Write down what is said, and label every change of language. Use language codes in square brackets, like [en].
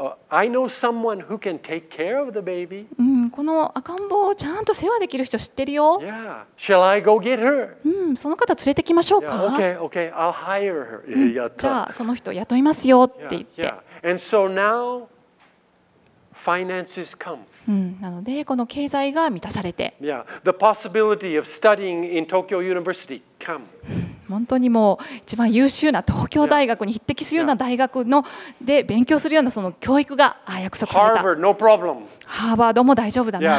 [en] I know someone who can take care of the baby. [ja] この赤ん坊をちゃんと世話できる人知ってるよ。 [en] Yeah. Shall I go get her? [ja] その方連れてきましょうか。 [en] Yeah. Okay. I'll hire her. [ja] じゃあその人雇いますよって言って。 [en] Yeah. And so now finances come. [ja] なのでこの経済が満たされて。 [en] Yeah. The possibility of studying in Tokyo University come. [ja] 本当にもう一番優秀な東京大学に匹敵するような大学ので勉強するようなその教育が約束された。 [en] Harvard, no、 [ja] ハーバードも大丈夫だな。